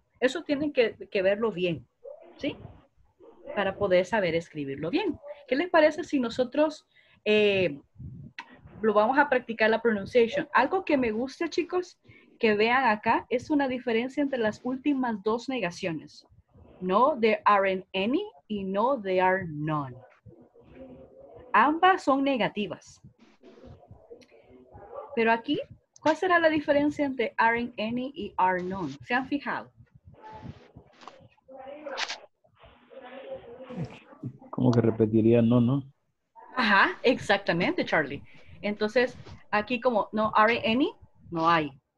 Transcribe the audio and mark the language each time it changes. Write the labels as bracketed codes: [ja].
[es] Eso tienen que verlo bien, ¿sí? Para poder saber escribirlo bien. ¿Qué les parece si nosotros lo vamos a practicar la pronunciation? Algo que me gusta, chicos, que vean acá, es una diferencia entre las últimas dos negaciones. [en] No, there aren't any, [es] y [en] no, there are none. [es] Ambas son negativas. Pero aquí, ¿cuál será la diferencia entre [en] aren't any [es] y [en] are none? [es] ¿Se han fijado? Como que repetiría no, ¿no? Ajá, exactamente, Charlie. Entonces, aquí como no [en] are any, [es] no hay.